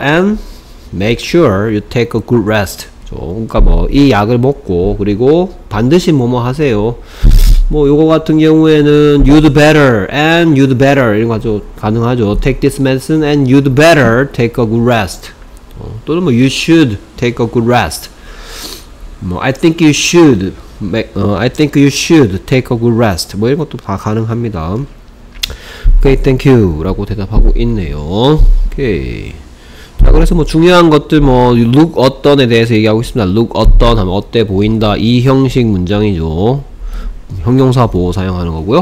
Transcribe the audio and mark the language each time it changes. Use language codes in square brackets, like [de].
[en] And make sure you take a good rest. [ko] 저 그러니까 뭐 이 약을 먹고 그리고 반드시 뭐뭐 하세요. 뭐 요거 같은 경우에는 [en] you'd better and you'd better [ko] 이런 거 아주 가능하죠. [en] Take this medicine and you'd better take a good rest. [ko] 또는 뭐 [en] you should take a good rest. 뭐 I think you should I think you should take a good rest. [ko] 뭐 이런 것도 다 가능합니다. [en] Okay, thank you [ko] 라고 대답하고 있네요. [en] Okay. [ko] 자, 그래서 뭐 중요한 것들 뭐 look 어떤에 대해서 얘기하고 있습니다. Look 어떤 하면 어때 보인다 이 형식 문장이죠. 형용사 보호 사용하는 거고요.